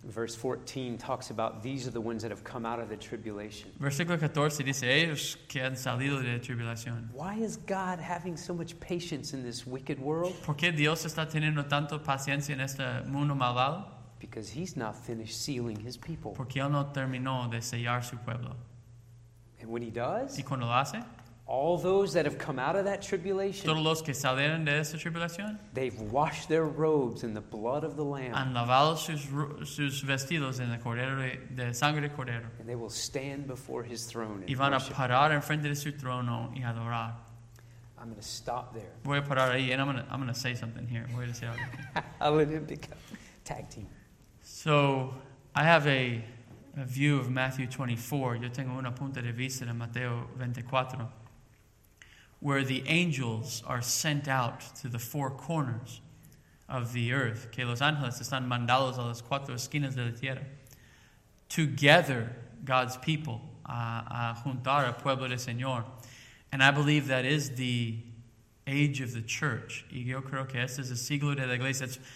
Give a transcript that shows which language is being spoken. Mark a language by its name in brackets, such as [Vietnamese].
[English] Verse 14 talks about these are the ones that have come out of the tribulation. [Spanish] Versículo 14 dice ellos que han salido de la tribulación. [English] Why is God having so much patience in this wicked world? [Spanish] ¿Por qué Dios está teniendo tanto paciencia en este mundo malvado? [English] Because he's not finished sealing his people. [Spanish] Porque él no terminó de sellar su pueblo. [English] And when he does, [Spanish] y cuando lo hace, [English] all those that have come out of that tribulation, [Spanish] todos los que salieron de esa tribulación, [English] they've washed their robes in the blood of the Lamb. [Spanish] Han lavado sus vestidos en el cordero de sangre del cordero. [English] And they will stand before his throne. [Spanish] Y van a parar en frente de su trono y adorar. [English] I'm going to stop there. [Spanish] Voy a parar ahí, [English] and I'm going to say something here. [Spanish] Voy a decir algo. [English] I'll let him become tag team. So, I have a view of Matthew 24. [Spanish] Yo tengo una punta de vista de Mateo 24, [English] where the angels are sent out to the four corners of the earth. [Spanish] Que los ángeles están mandados a las cuatro esquinas de la tierra. [English] To gather God's people, [Spanish] a juntar al pueblo del Señor. [English] And I believe that is the age of the church. [Spanish] Y yo creo que este es el siglo de la iglesia.